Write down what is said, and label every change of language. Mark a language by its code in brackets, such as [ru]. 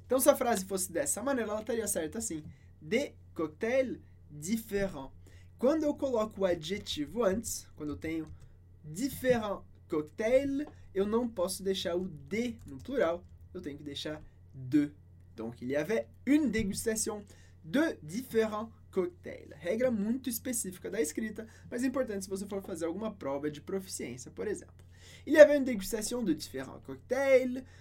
[pt] Então, se a frase fosse dessa maneira, ela estaria certa assim: [fr] des cocktails différents. [pt] Quando eu coloco o adjetivo antes, quando eu tenho différents cocktails, eu não posso deixar o de no plural, eu tenho que deixar de. [fr] Donc, il y avait une dégustation de différents cocktails. [pt] Regra muito específica da escrita, mas é importante se você for fazer alguma prova de proficiência, por exemplo. [fr] Il y avait une dégustation de différents cocktails.